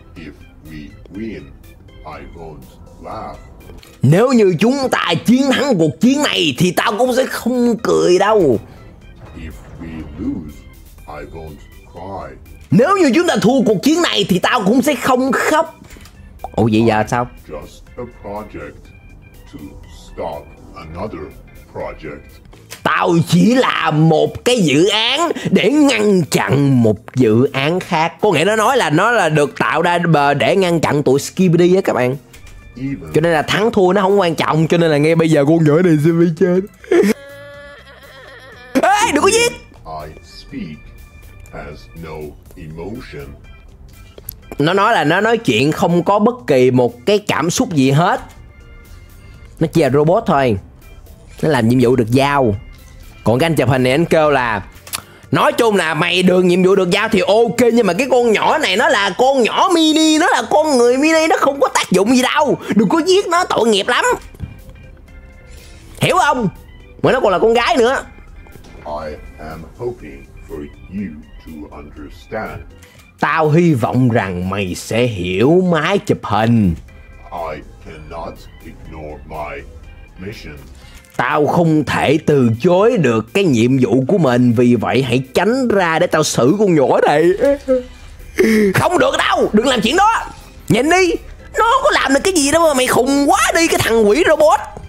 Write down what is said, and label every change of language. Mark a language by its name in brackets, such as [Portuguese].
[English] If we win, I won't laugh. [Vietnamese] Nếu như chúng ta chiến thắng cuộc chiến này thì tao cũng sẽ không cười đâu. [English] If we lose, I won't cry. [Vietnamese] Nếu như chúng ta thua cuộc chiến này thì tao cũng sẽ không khóc. Ủa vậy giờ sao? [English] Just a project to stop another project. [Vietnamese] Tao chỉ là một cái dự án để ngăn chặn một dự án khác. Có nghĩa nó nói là nó là được tạo ra để ngăn chặn tụi Skibidi á các bạn. Cho nên là thắng thua nó không quan trọng. Cho nên là ngay bây giờ con nhỏ này sẽ bị chết. Ê, đừng có giết. [English] I speak has no emotion. [Vietnamese] Nó nói là nó nói chuyện không có bất kỳ một cái cảm xúc gì hết. Nó chỉ là robot thôi. Nó làm nhiệm vụ được giao. Còn cái anh chụp hình này anh kêu là nói chung là mày được nhiệm vụ được giao thì ok, nhưng mà cái con nhỏ này nó là con nhỏ mini, nó là con người mini, nó không có tác dụng gì đâu. Đừng có giết nó, tội nghiệp lắm. Hiểu không? Mà nó còn là con gái nữa. [English] I am hoping for you to understand. [Vietnamese] Tao hy vọng rằng mày sẽ hiểu máy chụp hình. [English] I cannot ignore my mission. [Vietnamese] Tao không thể từ chối được cái nhiệm vụ của mình, vì vậy hãy tránh ra để tao xử con nhỏ này. Không được đâu, đừng làm chuyện đó. Nhìn đi, nó có làm được cái gì đâu mà mày khùng quá đi, cái thằng quỷ robot.